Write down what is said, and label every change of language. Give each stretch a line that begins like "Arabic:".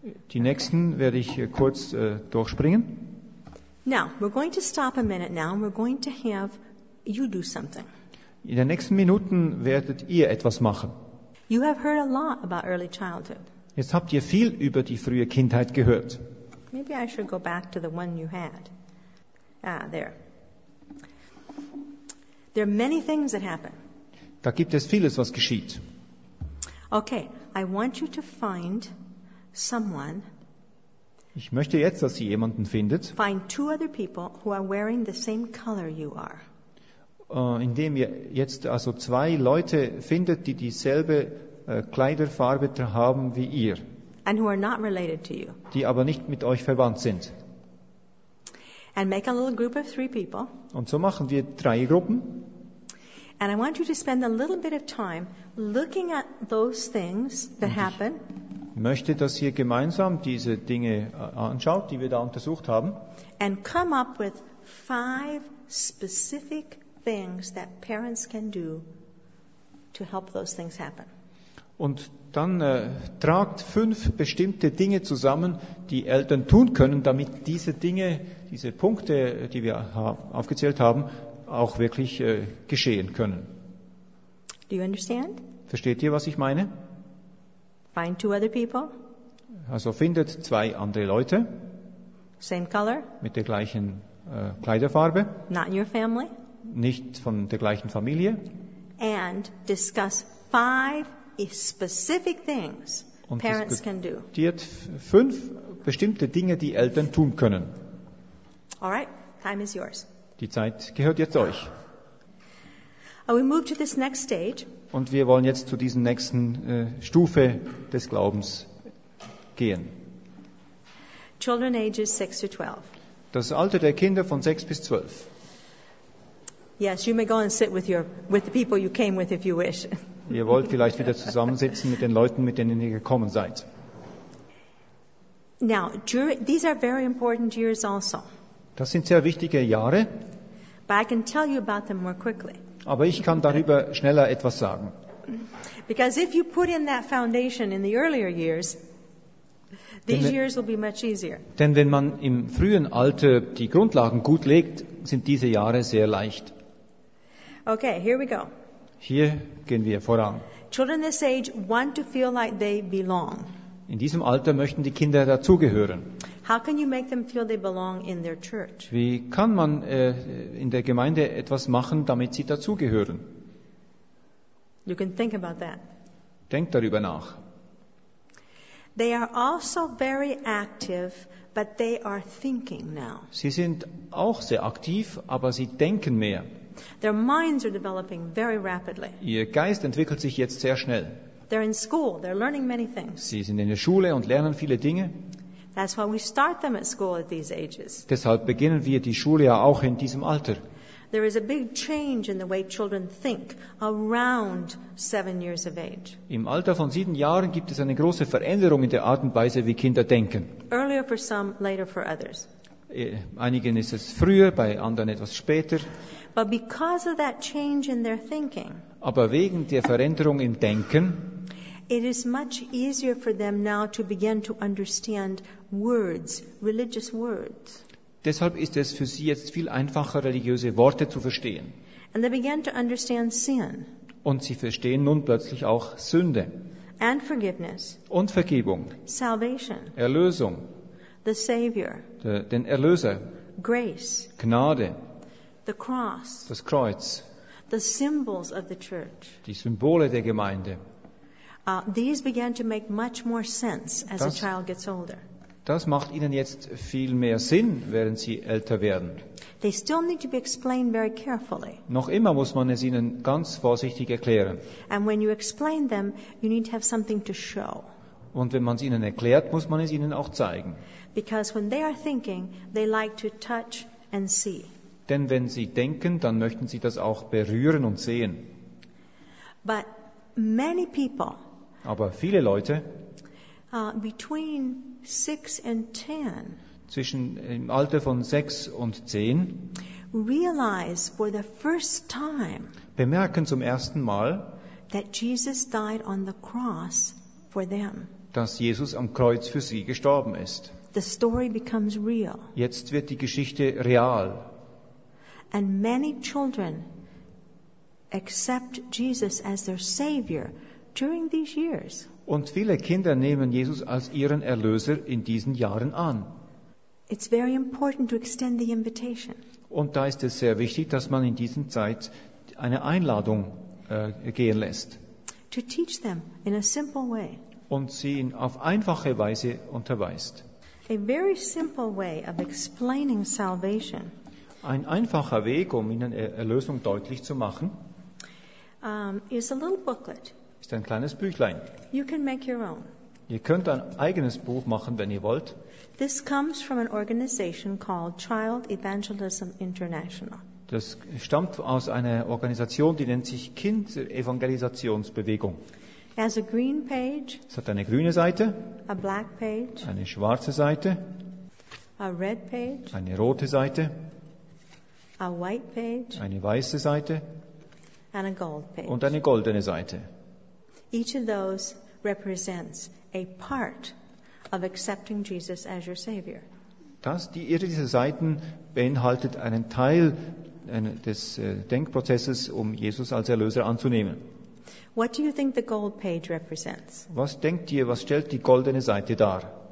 German: Die nächsten werde ich kurz durchspringen.
English: Now, we're going to stop a minute now and we're going to have you do something.
German: In den nächsten Minuten werdet ihr etwas machen.
English: You have heard a lot about early childhood.
German: Jetzt habt ihr viel über die frühe Kindheit gehört.
English: Maybe I should go back to the one you had. Ah, there. There are many things that happen.
German: Da gibt es vieles, was geschieht.
English: Okay, I want you to find someone.
German: Ich möchte jetzt, dass ihr jemanden findet.
English: Find two other people who are wearing the same color you are.
German: Indem ihr jetzt also zwei Leute findet, die dieselbe Kleiderfarbe haben wie ihr.
English: And who are not related to you.
German: Die aber nicht mit euch verwandt sind.
English: And make a little group of three people.
German: Und so machen wir drei Gruppen.
English: And I want you to spend a little bit of time looking at those things that happen.
German: Ich möchte, dass ihr gemeinsam diese Dinge anschaut, die wir da untersucht haben.
English: And come up with five specific things that parents can do to help those things happen.
German: Und dann tragt fünf bestimmte Dinge zusammen, die Eltern tun können, damit diese Dinge, diese Punkte, die wir aufgezählt haben, auch wirklich geschehen können.
English: Do you understand?
German: Versteht ihr, was ich meine?
English: Find two other people.
German: Also findet zwei andere Leute.
English: Same color.
German: Mit der gleichen Kleiderfarbe.
English: Not your family.
German: Nicht von der gleichen Familie.
English: And discuss five specific things parents can do.
German: Und diskutiert fünf bestimmte Dinge, die Eltern tun können.
English: All right, time is yours.
German: Die Zeit gehört jetzt euch.
English: We move to this next stage.
German: Und wir wollen jetzt zu diesem nächsten Stufe des Glaubens gehen.
English: Children ages 6 to 12.
German: Das Alter der Kinder von 6 bis 12.
English: Yes, you may go and sit with the people you came with if you wish.
German: Ihr wollt vielleicht wieder zusammensitzen mit den Leuten, mit denen ihr gekommen seid.
English: Now, these are very important years also.
German: Das sind sehr wichtige Jahre.
English: But I can tell you about them more quickly.
German: Aber ich kann darüber schneller etwas sagen.
English: Because if you put in that foundation in the earlier years, these years will be much easier.
German: Denn wenn man im frühen Alter die Grundlagen gut legt, sind diese Jahre sehr leicht.
English: Okay, here we go.
German: Hier gehen wir voran.
English: Children this age want to feel like they belong.
German: In diesem Alter möchten die Kinder dazugehören.
English: How can you make them feel they belong in their church?
German: Wie kann man in der Gemeinde etwas machen, damit sie dazugehören?
English: You can think about that.
German: Denk darüber nach.
English: They are also very active, but they are thinking now.
German: Sie sind auch sehr aktiv, aber sie denken mehr.
English: Their minds are developing very rapidly.
German: Ihr Geist entwickelt sich jetzt sehr schnell.
English: They're in school, they're learning many things.
German: Sie sind in der Schule und lernen viele Dinge.
English: That's why we start them at school at these ages.
German: Deshalb beginnen wir die Schule ja auch in diesem Alter.
English: There is a big change in the way children think around 7 years of age.
German: Im Alter von 7 Jahren gibt es eine große Veränderung in der Art und Weise, wie Kinder denken.
English: Earlier for some, later for others.
German: Einigen ist es früher, bei anderen etwas später.
English: But because of that change in their thinking,
German: aber wegen der Veränderung im Denken,
English: it is much easier for them now to begin to understand words, religious words.
German: Deshalb ist es für sie jetzt viel einfacher, religiöse Worte zu verstehen.
English: And they begin to understand sin.
German: Und sie verstehen nun plötzlich auch Sünde.
English: And forgiveness.
German: Und Vergebung.
English: Salvation.
German: Erlösung.
English: The Savior.
German: Den Erlöser.
English: Grace.
German: Gnade.
English: The cross.
German: Das Kreuz.
English: The symbols of the church.
German: Die Symbole der Gemeinde.
English: These began to make much more sense as a child gets older.
German: Das macht ihnen jetzt viel mehr Sinn, während sie älter werden.
English: They still need to be explained very carefully.
German: Noch immer muss man es ihnen ganz vorsichtig erklären.
English: And when you explain them, you need to have something to show.
German: Und wenn man es ihnen erklärt, muss man es ihnen auch zeigen.
English: Because when they are thinking, they like to touch and see.
German: Denn wenn sie denken, dann möchten sie das auch berühren und sehen.
English: But many people,
German: aber viele Leute,
English: between 6 and 10,
German: zwischen im Alter von 6 und 10,
English: realize for the first time,
German: bemerken zum ersten Mal,
English: that Jesus died on the cross for them.
German: Dass Jesus am Kreuz für sie gestorben ist.
English: The story becomes real.
German: Jetzt wird die Geschichte real.
English: And many children accept Jesus as their Savior during these years.
German: Und viele Kinder nehmen Jesus als ihren Erlöser in diesen Jahren an.
English: It's very important to extend the invitation.
German: Und da ist es sehr wichtig, dass man in dieser Zeit eine Einladung gehen lässt.
English: To teach them in a simple way.
German: Und sie in auf einfache Weise unterweist.
English: A very simple way of explaining salvation.
German: Ein einfacher Weg, um ihnen Erlösung deutlich zu machen,
English: is a little booklet.
German: Ist ein kleines Büchlein.
English: You can make your own.
German: Ihr könnt ein eigenes Buch machen, wenn ihr wollt.
English: This comes from an organization called Child Evangelism International.
German: Das stammt aus einer Organisation, die nennt sich Kinderevangelisationsbewegung.
English: As a green page,
German: es hat eine grüne Seite,
English: a black page,
German: eine schwarze Seite,
English: a red page,
German: eine rote Seite,
English: a white page,
German: eine weiße Seite,
English: and a gold page.
German: Und eine goldene Seite.
English: Each of those represents a part of accepting Jesus as your Savior.
German: Jede dieser Seiten beinhaltet einen Teil des Denkprozesses, um Jesus als Erlöser anzunehmen.
English: What do you think the gold page represents?
German: Was denkt ihr, was stellt die goldene Seite dar?